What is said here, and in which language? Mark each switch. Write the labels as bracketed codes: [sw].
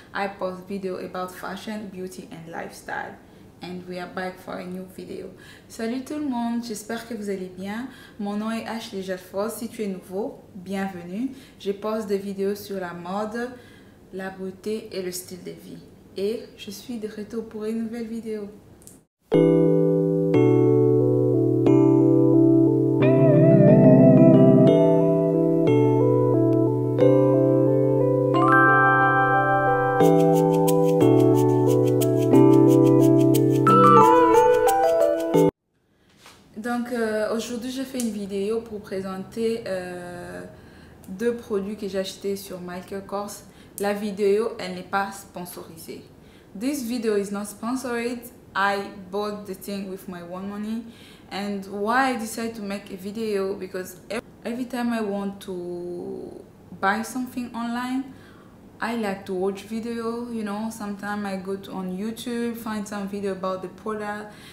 [en] I post video about fashion, beauty and lifestyle. And we are back for a new video. [fr] Salut tout le monde, j'espère que vous allez bien. Mon nom est Ashley Jalford. Si tu es nouveau, bienvenue. Je poste des vidéos sur la mode, la beauté et le style de vie. Et je suis de retour pour une nouvelle vidéo. Aujourd'hui, j'ai fait une vidéo pour présenter deux produits que j'ai achetés sur Michael Kors. La vidéo, elle n'est pas sponsorisée. [en] This video is not sponsored. I bought the thing with my own money. And why I decided to make a video? Because every time I want to buy something online, I like to watch video, you know. Sometimes I go on YouTube, find some video about the product.